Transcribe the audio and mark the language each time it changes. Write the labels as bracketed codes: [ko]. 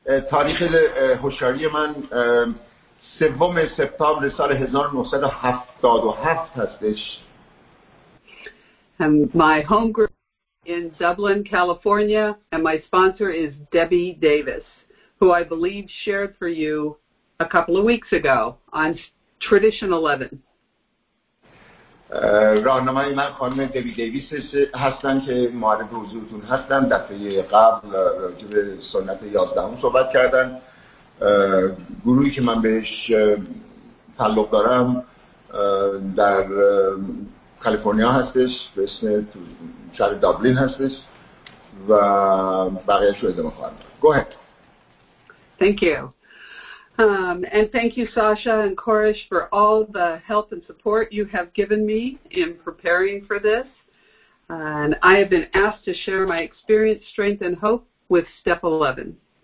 [fa] تاریخ هوشیاری من سوم سپتامبر سال 1977 هستش. [en] My home group in Dublin, California, and my sponsor is Debbie Davis, who I believe shared for you a couple of weeks ago on Tradition 11. [fa] راهنمای من خانم دبی دیویس هستن که معرفه حضورتون هستن. دفعه قبل راجع به سنت 11 صحبت کردن. گروهی که من بهش تعلق دارم در کالیفرنیا هستش، به اسم شهر دابلین هستش و بقیه شو ادامه خواهد. [en] Go ahead. Thank you. And thank you, Sasha and Koresh, for all the help and support you have given me in preparing for this. And I have been asked to share my experience, strength, and hope with Step 11.